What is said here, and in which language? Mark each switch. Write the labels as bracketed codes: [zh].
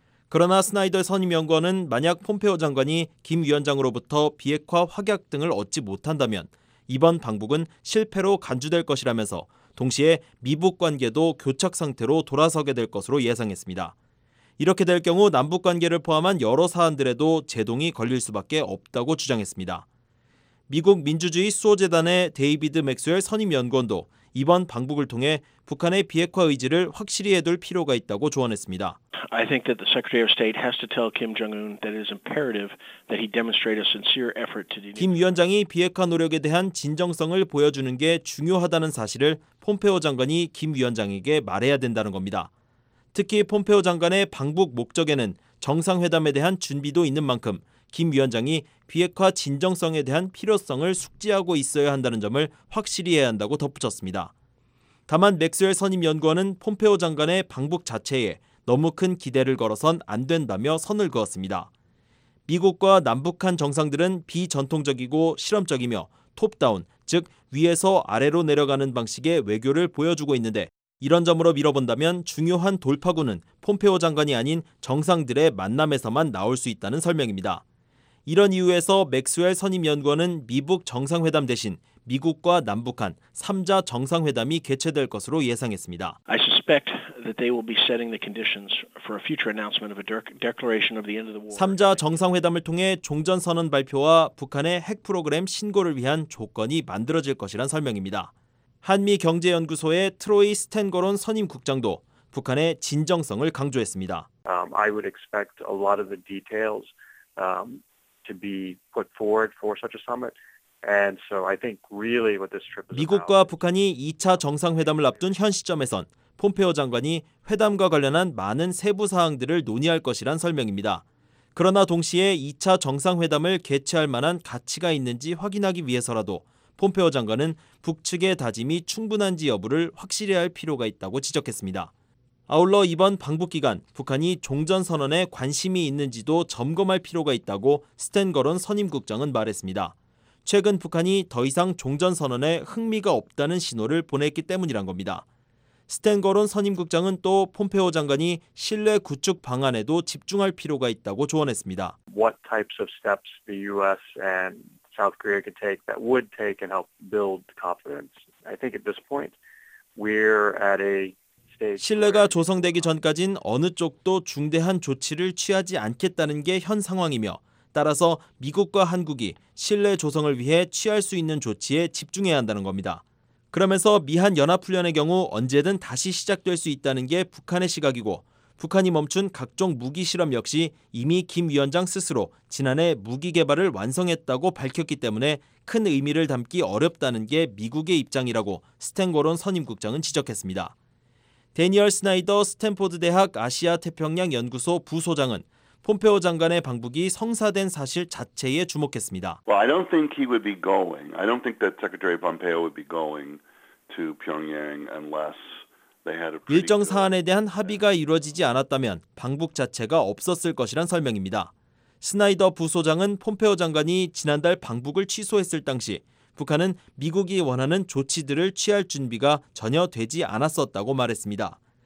[ko] 그러나 스나이더 선임 연구원은 만약 폼페오 장관이 김 위원장으로부터 비핵화 확약 등을 얻지 못한다면 이번 방북은 실패로 간주될 것이라면서 동시에 미북 관계도 교착 상태로 돌아서게 될 것으로 예상했습니다. 이렇게 될 경우 남북 관계를 포함한 여러 사안들에도 제동이 걸릴 수밖에 없다고 주장했습니다. 미국 민주주의 수호재단의 데이비드 맥스웰 선임 연구원도 이번 방북을 통해 북한의 비핵화 의지를 확실히 해둘 필요가 있다고 조언했습니다. [en] I think that the Secretary of State has to tell Kim Jong-un that it is imperative that he demonstrate a sincere effort to. [ko] 김 위원장이 비핵화 노력에 대한 진정성을 보여주는 게 중요하다는 사실을 폼페오 장관이 김 위원장에게 말해야 된다는 겁니다. 특히 폼페오 장관의 방북 목적에는 정상회담에 대한 준비도 있는 만큼 김 위원장이 비핵화 진정성에 대한 필요성을 숙지하고 있어야 한다는 점을 확실히 해야 한다고 덧붙였습니다. 다만 맥스웰 선임 연구원은 폼페오 장관의 방북 자체에 너무 큰 기대를 걸어선 안 된다며 선을 그었습니다. 미국과 남북한 정상들은 비전통적이고 실험적이며 톱다운, 즉 위에서 아래로 내려가는 방식의 외교를 보여주고 있는데 이런 점으로 밀어본다면 중요한 돌파구는 폼페오 장관이 아닌 정상들의 만남에서만 나올 수 있다는 설명입니다. 이런 이유에서 맥스웰 선임 연구원은 미북 정상회담 대신 미국과 남북한 3자 정상회담이 개최될 것으로 예상했습니다. [en] I suspect that they will be setting the conditions for a future announcement of a declaration of the end of the war. [ko] 3자 정상회담을 통해 종전 선언 발표와 북한의 핵 프로그램 신고를 위한 조건이 만들어질 것이란 설명입니다. 한미 경제연구소의 트로이 스탠거론 선임 국장도 북한의 진정성을 강조했습니다. [en] I would expect a lot of the details to be put forward for such a summit. And so I think really what this trip is about. [ko] 미국과 북한이 2차 정상회담을 앞둔 현 시점에선 폼페오 장관이 회담과 관련한 많은 세부 사항들을 논의할 것이란 설명입니다. 그러나 동시에 2차 정상회담을 개최할 만한 가치가 있는지 확인하기 위해서라도 폼페오 장관은 북측의 다짐이 충분한지 여부를 확실히 할 필요가 있다고 지적했습니다. 아울러 이번 방북 기간 북한이 종전선언에 관심이 있는지도 점검할 필요가 있다고 스탠거론 선임국장은 말했습니다. 최근 북한이 더 이상 종전선언에 흥미가 없다는 신호를 보냈기 때문이란 겁니다. 스탠거론 선임국장은 또 폼페오 장관이 신뢰 구축 방안에도 집중할 필요가 있다고 조언했습니다. [en] What types of steps the U.S. and South Korea could take that would take and help build confidence? I think at this point we're at a [ko] 신뢰가 조성되기 전까진 어느 쪽도 중대한 조치를 취하지 않겠다는 게 현 상황이며 따라서 미국과 한국이 신뢰 조성을 위해 취할 수 있는 조치에 집중해야 한다는 겁니다. 그러면서 미한 연합훈련의 경우 언제든 다시 시작될 수 있다는 게 북한의 시각이고 북한이 멈춘 각종 무기 실험 역시 이미 김 위원장 스스로 지난해 무기 개발을 완성했다고 밝혔기 때문에 큰 의미를 담기 어렵다는 게 미국의 입장이라고 스탠거론 선임국장은 지적했습니다. 대니얼 스나이더 스탠포드 대학 아시아태평양연구소 부소장은 폼페오 장관의 방북이 성사된 사실 자체에 주목했습니다. [en] Well, I don't think he would be going. I don't think that Secretary Pompeo would be going to Pyongyang unless they had a [ko] 일정 사안에 대한 합의가 이루어지지 않았다면 방북 자체가 없었을 것이란 설명입니다. 스나이더 부소장은 폼페오 장관이 지난달 방북을 취소했을 당시 북한은 미국이 원하는 조치들을 취할 준비가 전혀 되지 않았었다고 말했습니다.